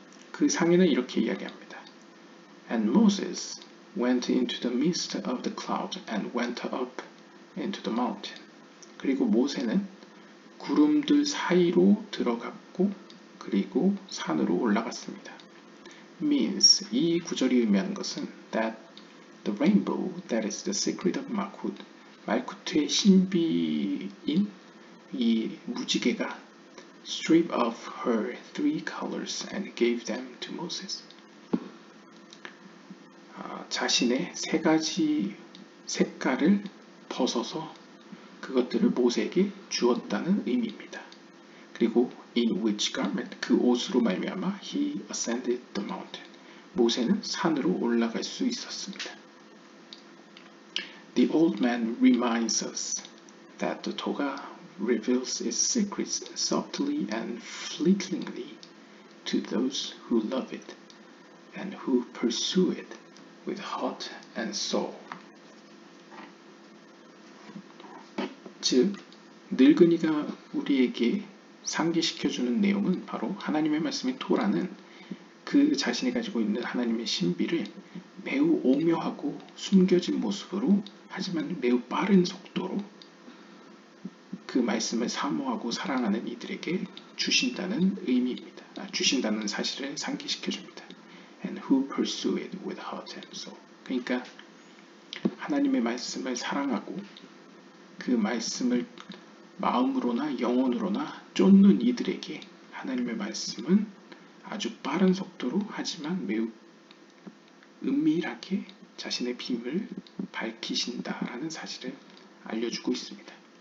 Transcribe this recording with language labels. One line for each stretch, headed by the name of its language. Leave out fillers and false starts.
Korean: 그 상인은 이렇게 이야기합니다.
English: And Moses went into the midst of the cloud and went up into the mountain.
Korean: 그리고 모세는 구름들 사이로 들어갔고, 그리고 산으로 올라갔습니다.
English: Means
Korean: 이 구절이 의미하는 것은
English: that the rainbow that is the secret of Malkuth,
Korean: 말쿠트의 신비인 이 무지개가
English: strip off her three colors and gave them to Moses.
Korean: 자신의 세 가지 색깔을 벗어서 그것들을 모세에게 주었다는 의미입니다. 그리고
English: in which garment
Korean: 그 옷으로 말미암아
English: he ascended the mountain.
Korean: 모세는 산으로 올라갈 수 있었습니다.
English: The old man reminds us that the Torah reveals its secrets subtly and fleetingly to those who love it and who pursue it with heart and soul.
Korean: 즉, 늙은이가 우리에게 상기시켜주는 내용은 바로 하나님의 말씀인 토라는 그 자신이 가지고 있는 하나님의 신비를 매우 오묘하고 숨겨진 모습으로, 하지만 매우 빠른 속도로 그 말씀을 사모하고 사랑하는 이들에게 주신다는 의미입니다. 주신다는 사실을 상기시켜줍니다.
English: And who pursue it with heart and soul.
Korean: 그러니까 하나님의 말씀을 사랑하고 그 말씀을 마음으로나 영혼으로나 쫓는 이들에게 하나님의 말씀은 아주 빠른 속도로, 하지만 매우 은밀하게 자신의 비밀을 밝히신다라는 사실을 알려주고 있습니다.